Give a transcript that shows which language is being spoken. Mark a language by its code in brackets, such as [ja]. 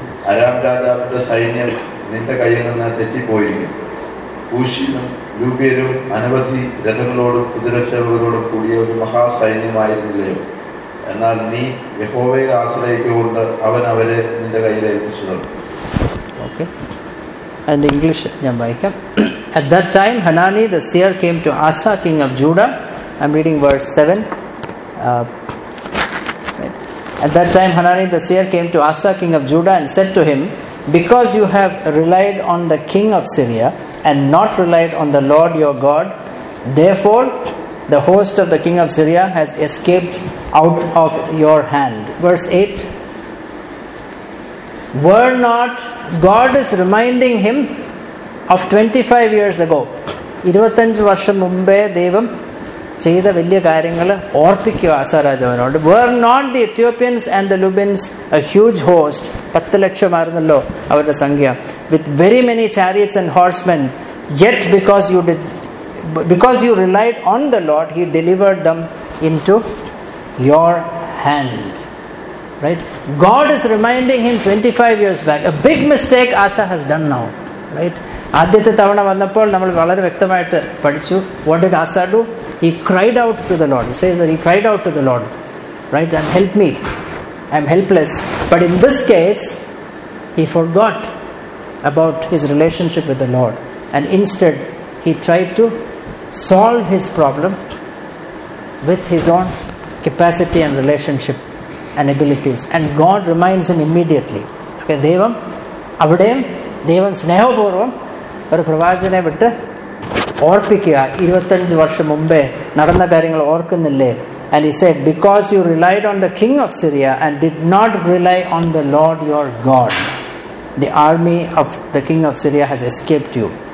[ml] Aram രാജാവിന്റെ സൈന്യം നിന്റെ കയ്യിൽ നിന്ന് തെറ്റിപ്പോയിരിക്കും. ഊശിനും ലൂബ്യരും അനവധി രഥങ്ങളോടും കുതിരശേവകരോടും കൂടിയ ഒരു മഹാസൈന്യമായിരുന്നില്ലയോ? എന്നാൽ നീ യഹോവയെ ആശ്രയിച്ചുകൊണ്ട് അവൻ അവരെ നിന്റെ കയ്യിൽ ഏൽപ്പിച്ചു. ഓക്കെ, അതിന്റെ ഇംഗ്ലീഷ് ഞാൻ വായിക്കാം. [en] At that time Hanani the seer came to Asa king of Judah. I'm reading verse 7. At that time Hanani the seer came to Asa king of Judah and said to him, because you have relied on the king of Syria and not relied on the Lord your God, therefore the host of the king of Syria has escaped out of your hand. Verse 8. Were not, God is reminding him of 25 years ago. [ml] 25 varsham munbe devam ചെയ്ത വലിയ കാര്യങ്ങൾ ഓർപ്പിക്കുക ആസാരാജാവിനോട്. [en] were not the Ethiopians and the Lubims a huge host, [ml] 10 lakh അവരുടെ സംഖ്യ, [en] With very many chariots and horsemen, yet because you relied on the Lord he delivered them into your hand. Right? God is reminding him 25 years back. A big mistake Asa has done now. Right? [ml] ആദ്യത്തെ തവണ വന്നപ്പോൾ നമ്മൾ വളരെ വ്യക്തമായിട്ട് പഠിച്ചു. [en] What did Asa do? He cried out to the Lord. He says that he cried out to the Lord. Right? And help me. I am helpless. But in this case, he forgot about his relationship with the Lord. And instead, he tried to solve his problem with his own capacity and relationship and abilities. And God reminds him immediately. [ml] Okay, Devam, avadeyam, Devam snehapoorvam, oru pravachane vittu, ഓർപ്പിക്കുക 25 വർഷം മുമ്പേ നടന്ന കാര്യങ്ങൾ ഓർക്കുന്നില്ലേ? [en] And he said because you relied on the king of Syria and did not rely on the Lord your God, the army of the king of Syria has escaped you.